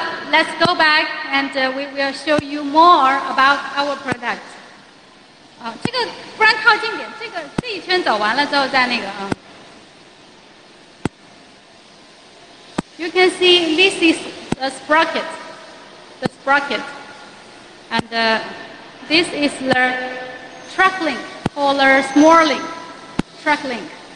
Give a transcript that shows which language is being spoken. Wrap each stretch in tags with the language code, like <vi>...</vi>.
<en>Let's go back and we will show you more about our product.</en> <zh>这个不然靠近点，这个这一圈走完了之后再那个啊。</zh> <en>You can see this is the sprocket, and this is the track link or the small link, track link.</en>